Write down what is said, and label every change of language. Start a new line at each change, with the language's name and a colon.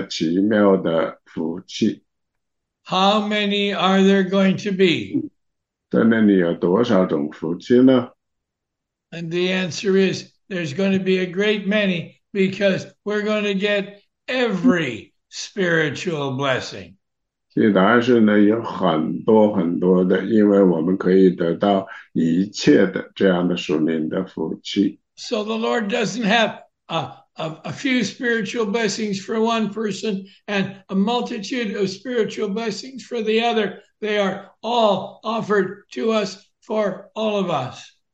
Chinese: 所以呢，当我们继续学这一章的时候呢，我们会得出这样结论：他们是非常的奇妙的福气。
English: How many are there going to be? And the answer is there's going to be a great many because we're going to get every spiritual blessing.
Chinese: 所以答案是呢，有很多很多的，因为我们可以得到一切的这样的属灵的福气。
English: So the Lord doesn't have a few spiritual blessings for one person and a multitude of spiritual blessings for the other. They are all offered to us for all of us.